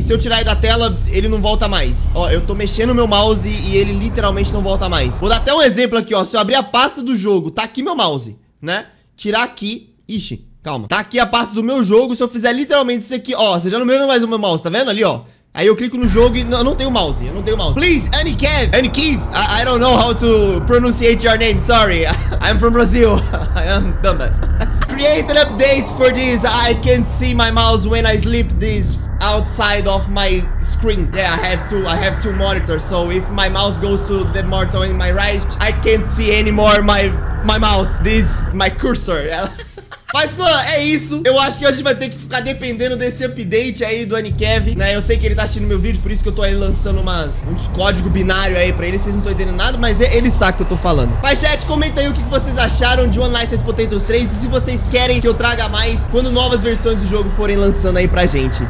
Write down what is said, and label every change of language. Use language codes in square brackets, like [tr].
[pt] Se eu tirar ele da tela, ele não volta mais. Ó, eu tô mexendo meu mouse e ele literalmente não volta mais. Vou dar até um exemplo aqui, ó. Se eu abrir a pasta do jogo, tá aqui meu mouse, né? Tirar aqui. Ixi, calma. Tá aqui a pasta do meu jogo. Se eu fizer literalmente isso aqui, ó, você já não vê mais o meu mouse, tá vendo ali, ó? Aí eu clico no jogo e eu não tenho mouse. [en] Please, Anikev, Anikiv, I don't know how to pronunciate your name, sorry. I'm from Brazil, I am dumbass. Create an update for this, I can't see my mouse when I sleep this outside of my screen. Yeah, I have two monitors, so if my mouse goes to the monitor in my right, I can't see anymore my mouse, this, my cursor. [pt] Mas, mano, é isso. Eu acho que a gente vai ter que ficar dependendo desse update aí do Anikev, né? Eu sei que ele tá assistindo meu vídeo, por isso que eu tô aí lançando uns códigos binários aí pra ele. Vocês não estão entendendo nada, mas ele sabe o que eu tô falando. Mas, chat, comenta aí o que vocês acharam de Unlighted Potatoes 3 e se vocês querem que eu traga mais quando novas versões do jogo forem lançando aí pra gente.